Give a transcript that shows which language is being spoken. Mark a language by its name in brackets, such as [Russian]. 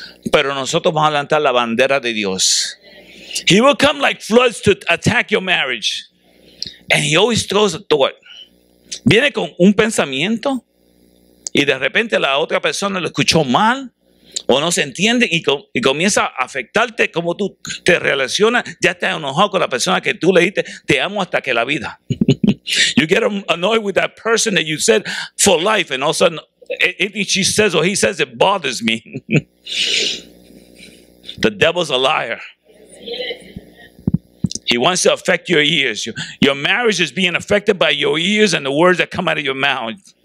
[Spanish] Pero nosotros vamos a levantar la bandera de Dios. [English] He will come like floods to attack your marriage. And he always throws a thought. [Spanish] Viene con un pensamiento. Y de repente la otra persona lo escuchó mal. O no se entiende y comienza a afectarte como tú te relacionas. Ya estás enojado con la persona que tú le dijiste, te amo hasta que la vida. [English] You get annoyed with that person that you said for life. And all of a sudden, if she says or he says, it bothers me. The devil's a liar. He wants to affect your ears. Your marriage is being affected by your ears and the words that come out of your mouth.